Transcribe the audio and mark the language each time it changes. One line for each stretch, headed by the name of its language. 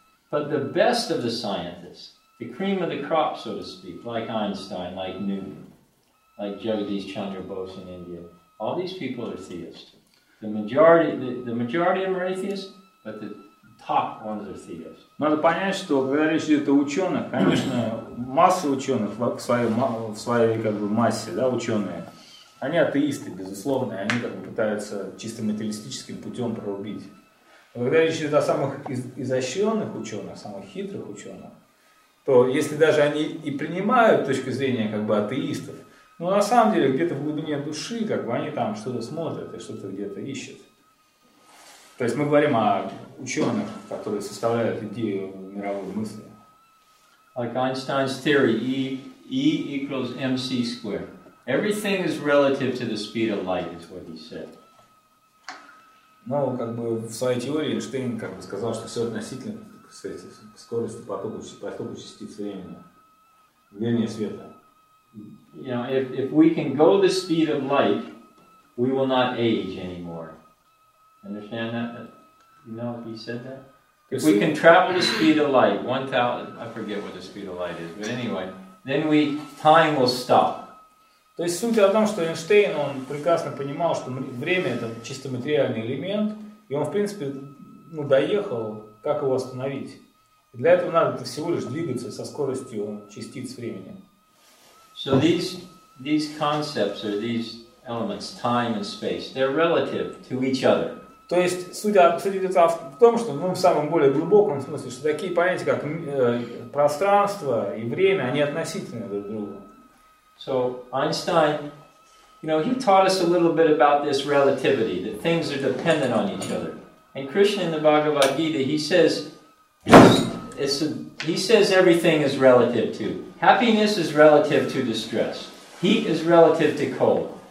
English: But the best of the scientists, the cream of the crop, so to speak, like Einstein, like Newton, like Jagadish Chandra Bose in India, all these people are theists. The majority of them are atheists, but the top ones are theists.
Russian: Надо понять, что когда речь идет о ученых, конечно, масса ученых в своей как бы массе, да, ученые, они атеисты, безусловно, и они как бы пытаются чисто материалистическим путем прорубить. Но когда речь идет о самых изощренных ученых, самых хитрых ученых, то если даже они и принимают точку зрения как бы атеистов, ну на самом деле где-то в глубине души как бы они там что-то смотрят и что-то где-то ищут. То есть мы говорим о ученых, которые составляют идею мировой мысли.
English: Like Einstein's theory, E equals mc squared. Everything is relative to the speed of light, is what he said.
Russian: Ну, как бы в своей теории Эйнштейн как бы сказал, что все относительно к скорости потока частиц времени, вернее света.
English: You know, if we can go the speed of light, we will not age anymore. Understand that? You know he said that? If we can travel the speed of light, 1,000, I forget what the speed of light is, but anyway, then time will stop.
Russian: То есть суть в том, что Эйнштейн, он прекрасно понимал, что время это чисто материальный элемент, и он, в принципе, ну, доехал, как его остановить. И для этого надо всего лишь двигаться со скоростью частиц времени.
English: So these concepts or these elements, time and space, they're relative to each other.
Russian: То есть суть в том, что ну, в самом более глубоком смысле, что такие понятия, как пространство и время, они относительны друг к другу.
English: So Einstein, you know, he taught us a little bit about this relativity, that things are dependent on each other. And Krishna in the Bhagavad Gita, he says everything is relative to. Happiness is relative to distress. Heat is relative to cold.